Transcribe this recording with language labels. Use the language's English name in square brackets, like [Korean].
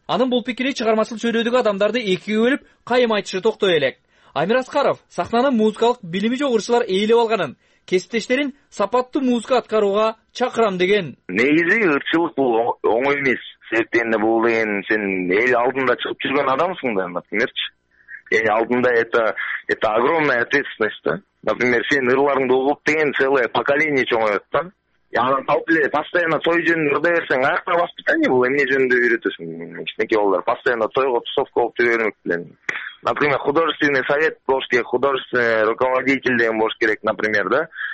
[Kyrgyz] Анын бул пикири чыгармачыл сүйлөөдөгү адамдарды экиге бөлүп, кайым айтышы токтой элек. Амир Аскаров сахнаны музыкалык билими жок ырчылар ээлеп алганын, кесиптештерин сапаттуу музыка аткарууга чакырам деген. Негизи ырчылык бул оңой эмес. Себептен бул деген сен эл алдында чыгып жүргөн адамсың да, эмерчи. Эң алдында [Russian] это огромная ответственность да. Например, [Kyrgyz] сенин ырларыңды угуп деген [Russian] целое поколение [Kyrgyz] чоңоет да. Анан калп эле [Russian] постоянно [Kyrgyz] той жөнүндө ырдай берсең аякта [Russian] воспитание [Kyrgyz] бул, эмне жөнүндө үйрөтөсүң? Кичинекей балдар [Russian] постоянно [Kyrgyz] тойго [Russian] тусовка [Kyrgyz] болуп жүрө бермек белен. [Russian] Например, художественный совет [Kyrgyz] болуш керек, [Russian] художественный руководитель [Kyrgyz] деген болуш керек, [Russian] например, [Kyrgyz] да.